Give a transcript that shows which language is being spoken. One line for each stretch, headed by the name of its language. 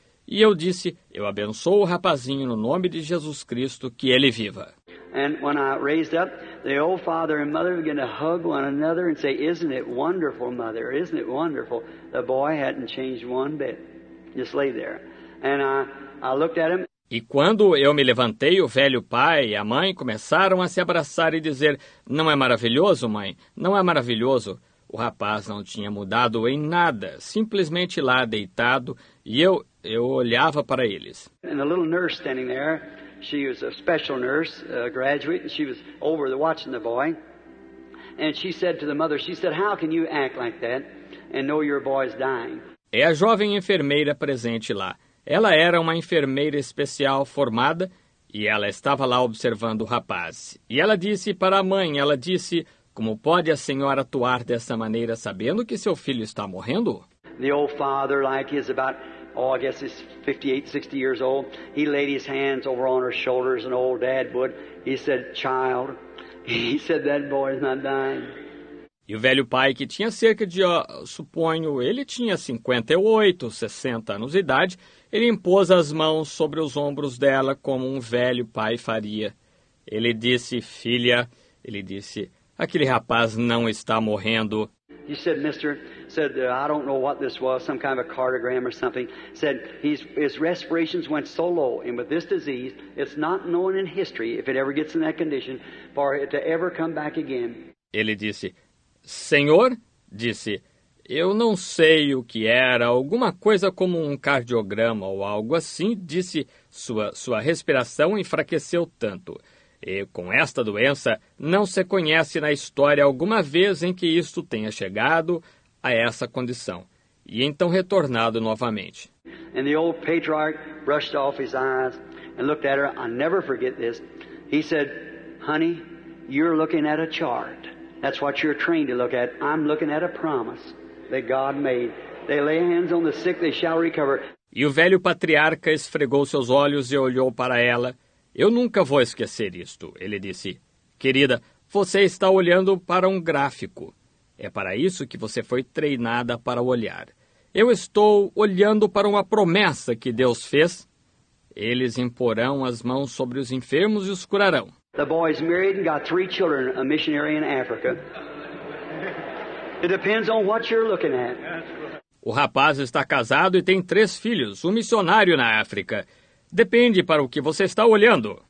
Portuguese: E eu disse, eu abençoo o rapazinho no nome de Jesus Cristo, que ele viva.
English: And when I raised up, the old father and mother began to hug one another and say, isn't it wonderful, mother, isn't it wonderful? The boy hadn't changed one bit, just lay there. And I looked at him.
Portuguese: E quando eu me levantei, o velho pai e a mãe começaram a se abraçar e dizer, não é maravilhoso, mãe, não é maravilhoso? O rapaz não tinha mudado em nada, simplesmente lá deitado, e eu olhava para eles.
English: And the little nurse standing there. She was a special nurse, a graduate, and she was over there watching the boy. And she said to the mother, she said, how can you act like that and know your boy's dying?
Portuguese: É a jovem enfermeira presente lá. Ela era uma enfermeira especial formada e ela estava lá observando o rapaz. E ela disse para a mãe, ela disse, como pode a senhora atuar dessa maneira sabendo que seu filho está morrendo?
English: The old father, like, is about... Oh, I guess he's 58, 60 years old. He laid his hands over on her shoulders, an old dad would. He said, child, he said, that boy is not dying.
Portuguese: E o velho pai, que tinha cerca de, suponho, ele tinha 58, 60 anos de idade, ele impôs as mãos sobre os ombros dela como um velho pai faria. Ele disse, filha, ele disse, aquele rapaz não está morrendo.
English: He said, mister, said, I don't know what this was, some kind of a cardiogram or something. Said, his respirations went so low, and with this disease, it's not known in history, if it ever gets in that condition, for it to ever come back again.
Portuguese: Ele disse, senhor, disse, eu não sei o que era, alguma coisa como um cardiograma ou algo assim, disse, sua respiração enfraqueceu tanto. E com esta doença, não se conhece na história alguma vez em que isto tenha chegado a essa condição. E então retornado novamente.
English: And the old patriarch brushed off his eyes and looked at her. I'll never forget this. He said, honey, you're looking at a chart. That's what you're trained to look at. I'm looking at a promise that God made. They lay hands on the sick, they shall recover.
Portuguese: E o velho patriarca esfregou seus olhos e olhou para ela. Eu nunca vou esquecer isto, ele disse. Querida, você está olhando para um gráfico. É para isso que você foi treinada para olhar. Eu estou olhando para uma promessa que Deus fez. Eles imporão as mãos sobre os enfermos e os curarão.
English: The boy is married and got 3 children, a missionary in Africa. It depends on what you're looking at.
Portuguese: O rapaz está casado e tem 3 filhos, um missionário na África. Depende para o que você está olhando.